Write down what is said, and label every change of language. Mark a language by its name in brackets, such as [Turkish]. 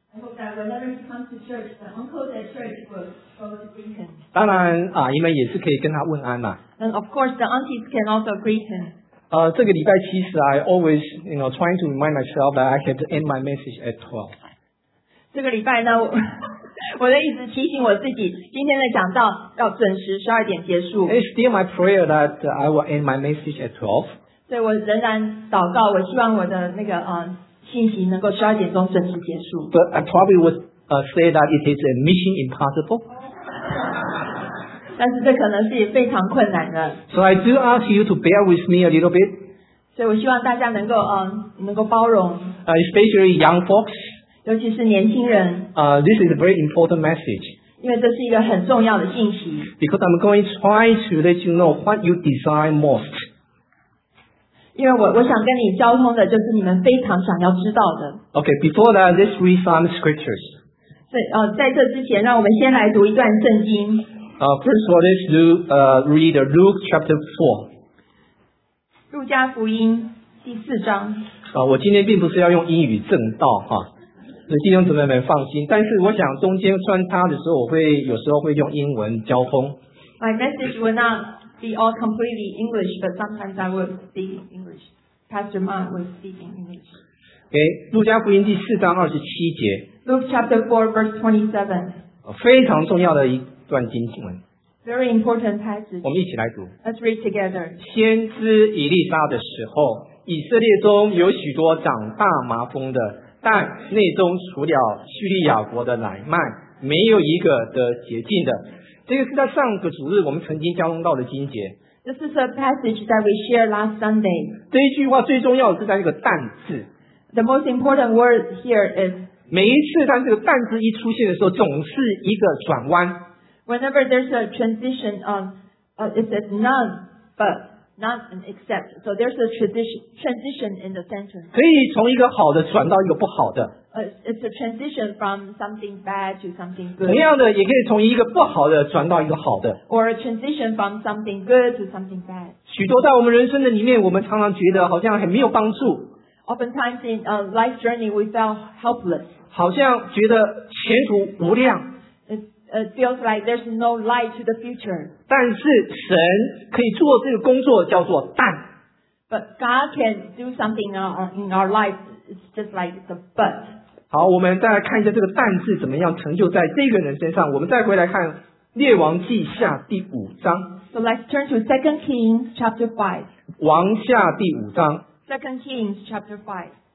[English] I hope that whenever he comes to church, the uncles at church will follow to greet him. [Chinese] 当然阿姨们也是可以跟他问安嘛。 [English] And of course, the aunties can also greet him. [Chinese] 这个礼拜其实 [English] I always, you know, trying to remind myself that I have to end my message at 12. [Chinese] 这个礼拜呢，我的意思提醒我自己，今天的讲道要准时12点结束。 [English] It's still my prayer that I will end my message at 12. [Chinese] 对，我仍然祷告，我希望我的那个信息能够12点钟准时结束。 [English] But I probably would say that it is a mission impossible. [Chinese] 但是这可能是非常困难的。 [English] So I do ask you to bear with me a little bit. [Chinese] 所以我希望大家能够包容。 [English] Especially young folks. [Chinese] 尤其是年轻人。 [English] This is a very important message. [Chinese] 因为这是一个很重要的信息。 [English] Because I'm going to try to let you know what you desire most. [Chinese] 因为我想跟你交通的就是你们非常想要知道的。 [English] Okay, before that, let's read some scriptures. [Chinese] 在这之前，让我们先来读一段圣经。 [English] First of all, let's read Luke chapter 4. [Chinese] 路加福音第四章。我今天并不是要用英语正道哈。弟兄姊妹们放心，但是我想中间穿插的时候，我会有时候会用英文交通。 [English] My message will not be all completely English, but sometimes I will speak English. Pastor Mark will speak in English. [Chinese] Okay, 路加福音第四章二十七节。 [English] Luke chapter 4 verse 27. [Chinese] 非常重要的一段经文。 [English] Very important passage. [Chinese] 我们一起来读。 [English] Let's read together. [Chinese] 先知以利沙的时候，以色列中有许多长大麻风的。但内中除了叙利亚国的乃曼，没有一个得洁净的。这个是在上个主日我们曾经交通到的经节。 [English] This is a passage that we shared last Sunday. [Chinese] 这一句话最重要的是在一个但字。 [English] The most important word here is. [Chinese] 每一次当这个但字一出现的时候，总是一个转弯。 [English] Whenever there's a transition, it says none, but. Not an except. So there's a transition in the sentence. [Chinese] 可以从一个好的转到一个不好的。 [English] It's a transition from something bad to something good. [Chinese] 同样的，也可以从一个不好的转到一个好的。 [English] Or a transition from something good to something bad. [Chinese] 许多在我们人生的里面，我们常常觉得好像很没有帮助。 [English] Oftentimes in a life journey, we felt helpless. [Chinese] 好像觉得前途无量。 [English] It feels like there's no light to the future. [Chinese] 但是神可以做这个工作叫做但。 [English] But God can do something in our life. It's just like the but. [Chinese] 好，我们再来看一下这个但是怎么样成就在这个人身上。我们再回来看列王记下第五章。 [English] So let's turn to 2 Kings chapter 5. [Chinese] 王下第五章。 [English] 2 Kings chapter 5.